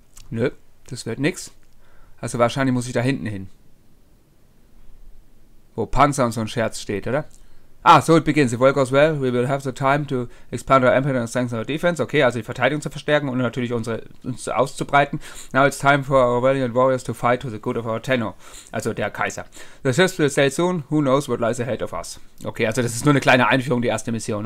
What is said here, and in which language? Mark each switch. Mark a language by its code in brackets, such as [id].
[de] Nö, das wird nix. Also wahrscheinlich muss ich da hinten hin. Wo Panzer und so ein Scherz steht, oder? [en] Ah, so it begins. If all goes well, we will have the time to expand our empire and strengthen our defense. [de] Okay, also die Verteidigung zu verstärken und natürlich uns auszubreiten. [en] Now it's time for our valiant warriors to fight to the good of our Tenno. [de] Also der Kaiser. [en] The ships will sail soon. Who knows what lies ahead of us. [de] Okay, also das ist nur eine kleine Einführung, die erste Mission.